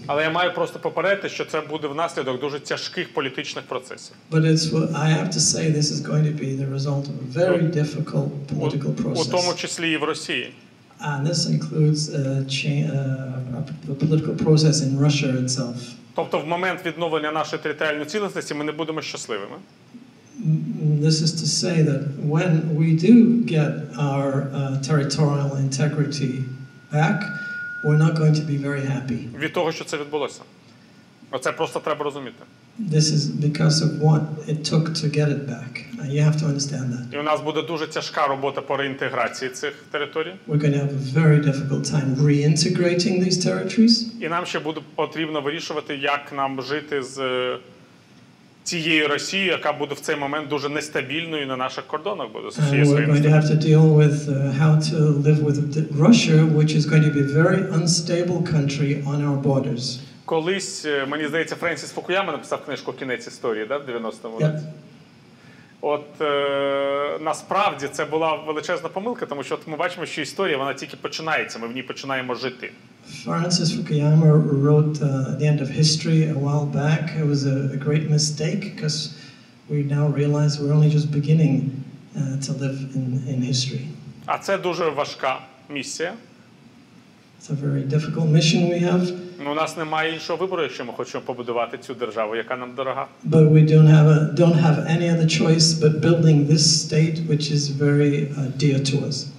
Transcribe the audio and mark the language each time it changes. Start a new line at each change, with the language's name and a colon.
Ukrainian: Але я маю просто попередити, що це буде внаслідок дуже тяжких політичних процесів.
English: But I have to say this is going to be the result of a very difficult political process.
Ukrainian: У тому числі і в Росії.
English: And this includes a political process in Russia itself.
Ukrainian: Тобто в момент відновлення нашої територіальної цілісності ми не будемо щасливими.
English: This is to say that when we do get our territorial integrity back, we're not going to be very happy.
Ukrainian: Від того, що це відбулося. Оце просто треба розуміти.
English: This is because of what it took to get it back. You have to understand that.
Ukrainian: І у нас буде дуже тяжка робота по реінтеграції цих територій.
English: We're going to have a very difficult time reintegrating these territories.
Ukrainian: І нам ще буде потрібно вирішувати, як нам жити з цієї Росії, яка буде в цей момент дуже нестабільною на наших кордонах буде.
English: And we're going to have to deal with how to live with Russia, which is going to be a very unstable country on our borders.
Ukrainian: Колись, мені здається, Френсіс Фукуяма написав книжку «Кінець історії», да, в 90-му році. От насправді це була величезна помилка, тому що от ми бачимо, що історія, вона тільки починається, ми в ній починаємо жити.
English: Francis Fukuyama wrote The End of History a while back. It was a great mistake because we now realize we're only just beginning to live in history.
Ukrainian: А це дуже важка місія.
English: It's a very difficult mission we have.
Ukrainian: Ну, у нас немає іншого вибору, якщо ми хочемо побудувати цю державу, яка нам дорога.
English: But we don't have any other choice but building this state which is very dear to us.